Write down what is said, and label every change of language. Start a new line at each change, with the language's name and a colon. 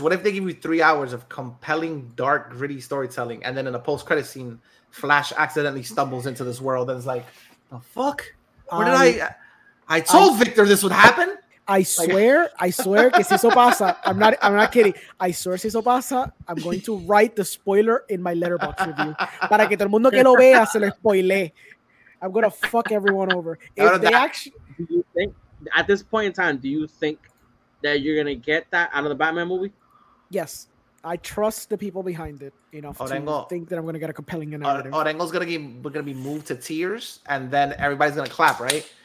English: What if they give you 3 hours of compelling, dark, gritty storytelling, and then in a post-credit scene, Flash accidentally stumbles into this world and is like, the fuck? I told Victor this would happen. I swear,
Spanish: que si eso pasa,
English: I'm not kidding. I swear
Spanish: si eso pasa,
English: I'm going to write the spoiler in my Letterboxd review.
Spanish: Para que todo el mundo que lo vea se lo spoile.
English: I'm going to fuck everyone over. At this point in time, do you think that you're going to get that out of the Batman movie? Yes. I trust the people behind it enough to think that I'm going to get a compelling narrative. Orengo's going to be moved to tears, and then everybody's going to clap, right?